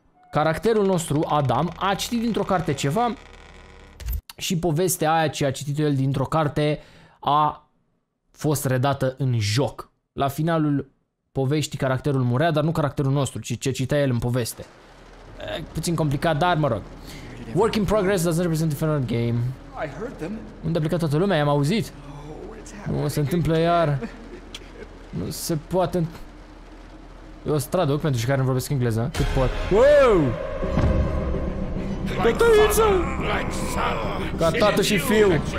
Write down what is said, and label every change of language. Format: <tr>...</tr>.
<ro>Caracterul nostru, Adam, a citit dintr-o carte ceva și povestea aia ce a citit el dintr-o carte a fost redată în joc. La finalul poveștii, caracterul murea, dar nu caracterul nostru, ci ce citea el în poveste. Puțin complicat, dar mă rog.</ro> <en>Work in progress doesn't represent the final game.</en> <ro>Unde a plecat toată lumea? I-am auzit. Nu se întâmplă iar. Nu se poate... Eu o să traduc pentru cei care nu vorbesc engleză, cât pot. Wow! Pe tăiță! Ca tată și fiu!</ro>